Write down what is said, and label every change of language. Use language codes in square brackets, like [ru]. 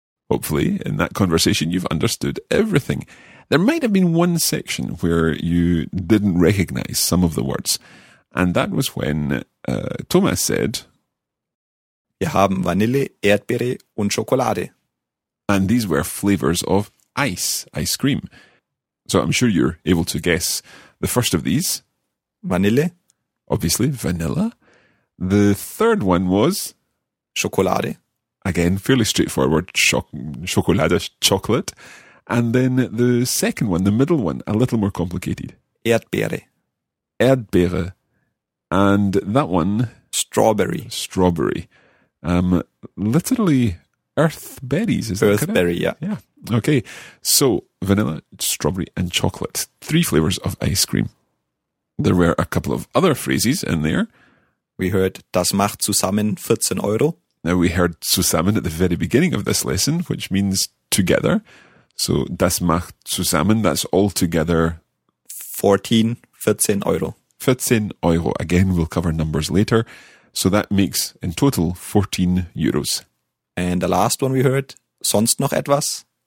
[en] Hopefully, in that conversation, you've understood everything. There might have been one section where you didn't recognize some of the words. And that was when Thomas said, [de] wir haben Vanille, Erdbeere und Schokolade. [en] And these were flavors of ice cream. So I'm sure you're able to guess the first of these. [de] Vanille. [en] Obviously, vanilla. The third one was... Chocolate. Again, fairly straightforward. Chocolade, chocolate. And then the second one, the middle one, a little more complicated. [de] Erdbeere. [en] Erdbeere. And that one... Strawberry. Strawberry. Literally, earthberries, is that correct? Earthberry, yeah. Yeah. Okay. So, vanilla, strawberry and chocolate. Three flavours of ice cream. There were a couple of other phrases in there. [de] We heard, das macht zusammen 14 Euro. [en] Now, we heard zusammen at the very beginning of this lesson, which means together. So, [de] das macht zusammen, [en] that's all together. [de] 14 Euro. [en] 14 Euro. Again, we'll cover numbers later. So that makes, in total, 14 euros. And the last one we heard, [de] sonst noch etwas?